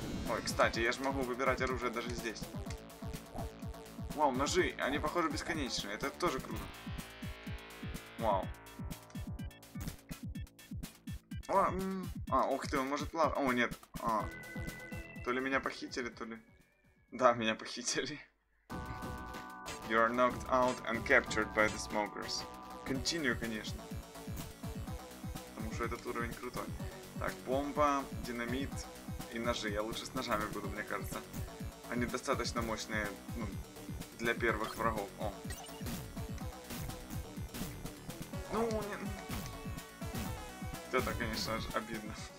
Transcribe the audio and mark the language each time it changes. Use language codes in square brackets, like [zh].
[ru] Ой, кстати, я же могу выбирать оружие даже здесь. Вау, ножи, они похожи бесконечные, это тоже круто. Вау. О, а, ух ты, он может плавать. О, нет, а. То ли меня похитили, то ли... Да, меня похитили. [en] You are knocked out and captured by the smokers. [ru] Continue, конечно. Потому что этот уровень крутой. Так, бомба, динамит и ножи. Я лучше с ножами буду, мне кажется. Они достаточно мощные, ну, для первых врагов. О. Ну, не... Это, конечно же, обидно.